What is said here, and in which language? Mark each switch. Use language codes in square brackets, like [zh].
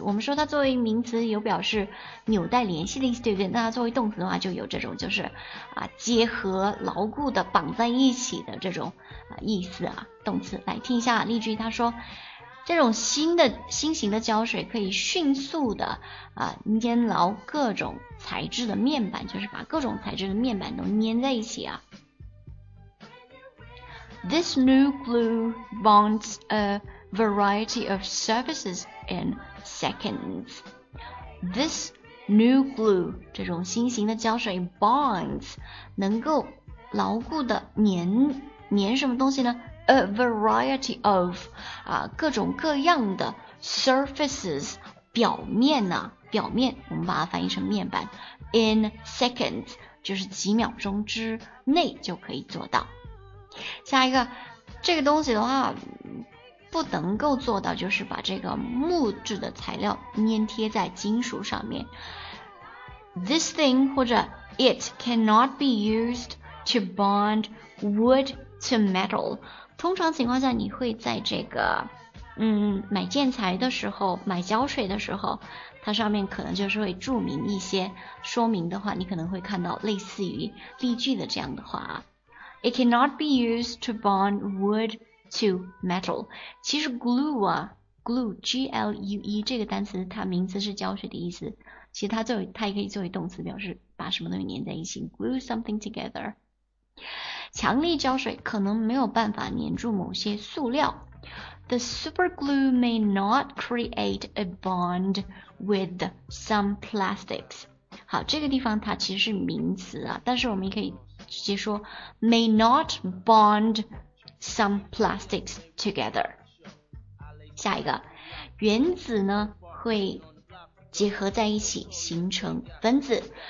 [zh] 我们说它作为名词有表示纽带联系的意思，对不对？那它作为动词的话就有这种就是啊结合牢固的绑在一起的这种啊意思啊。动词，来听一下例句，它说这种新型的胶水可以迅速的啊粘牢各种材质的面板，就是把各种材质的面板都粘在一起啊。 [en] This new glue bonds a variety of surfaces in seconds. This new glue, [zh] 这种新型的胶水 bonds, 能够牢固的粘什么东西呢？ [en] A variety of, [zh] 啊，各种各样的 surfaces, 表面呢、啊、表面我们把它翻译成面板 [en] in seconds, [zh] 就是几秒钟之内就可以做到。下一个，这个东西的话不能够做到就是把这个木质的材料粘贴在金属上面。 [en] This thing [zh] 或者 [en] it cannot be used to bond wood to metal。 [zh] 通常情况下你会在这个买建材的时候，买胶水的时候，它上面可能就是会注明一些说明的话，你可能会看到类似于例句的这样的话。 [en] It cannot be used to bond wood to metal. [zh] 其实 glue 啊 ,glue, G-L-U-E, 这个单词它名词是胶水的意思。其实它也可以作为动词，表示把什么东西粘在一起 , [en] glue something together. [zh] 强力胶水可能没有办法粘住某些塑料。 [en] The superglue may not create a bond with some plastics. [zh] 好，这个地方它其实是名词啊，但是我们也可以直接说 [en] may not bond some plastics together. [zh] 下一个，原子呢会结合在一起形成分子。